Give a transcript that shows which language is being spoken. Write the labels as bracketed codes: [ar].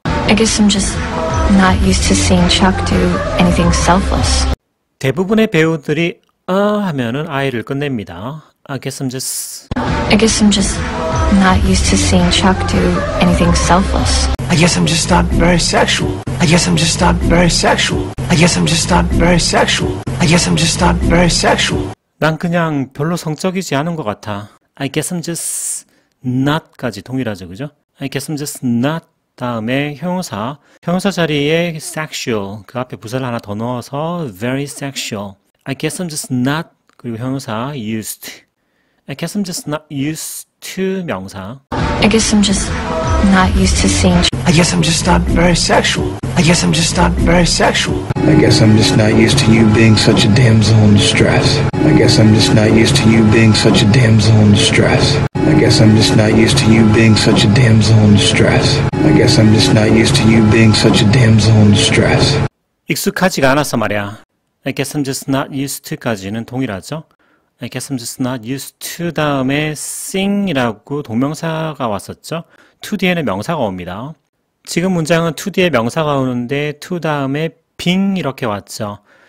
[en] I guess I'm just not used to seeing Chuck do anything selfless. [ko] 대부분의 배우들이 하면은 I를 끝냅니다. [en] I guess I'm just not used to seeing Chuck do anything selfless. I guess I'm just not very sexual. I guess I'm just not very sexual. I guess I'm just not very sexual. I guess I'm just not very sexual. [ko] 난 그냥 별로 성적이지 않은 것 같아. [en] I guess I'm just not [ko] 까지 동일하죠, 그죠? [en] I guess I'm just not [ko] 다음에 형용사. 형용사 자리에 sexual. 그 앞에 부사를 하나 더 넣어서 [en] very sexual. I guess I'm just not. [ko] 그리고 형용사 [en] used. I guess I'm just not used to 명사. I guess I'm just not used to seeing. I guess I'm just not very sexual. I guess I'm just not very sexual. I guess I'm just not used to you being such a damsel in distress. I guess I'm just not used to you being such a damsel in distress. I guess I'm just not used to you being such a damsel in distress. I guess I'm just not used to you being such a damsel in distress. [ko] 익숙하지가 않아서 말이야. [en] I guess I'm just not used to [ko] 까지는 동일하죠. [en] I guess I'm just not used to 다음에 sing이라고 동명사가 왔었죠. [ko] to 뒤에는 명사가 옵니다. 지금 문장은 to 뒤에 명사가 오는데 to 다음에 being 이렇게 왔죠.